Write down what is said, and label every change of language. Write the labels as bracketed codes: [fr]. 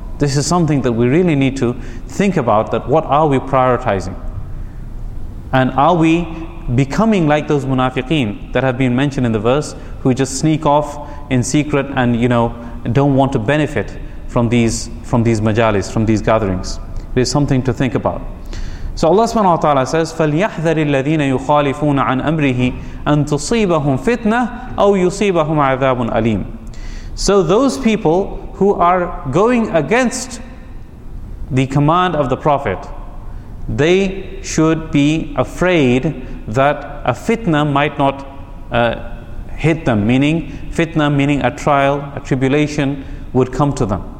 [en] This is something that we really need to think about, that what are we prioritizing? And are we becoming like those munafiqeen that have been mentioned in the verse, who just sneak off in secret and, you know, don't want to benefit from these majalis, from these gatherings? It is something to think about. So Allah subhanahu wa ta'ala says, [ar] فَلْيَحْذَرِ الَّذِينَ يُخَالِفُونَ عَنْ أَمْرِهِ أَنْ تُصِيبَهُمْ فِتْنَةً أَوْ يُصِيبَهُمْ عَذَابٌ أَلِيمٌ. [en] So those people who are going against the command of the Prophet, they should be afraid that a fitna might not hit them, meaning fitna, meaning a trial, a tribulation would come to them.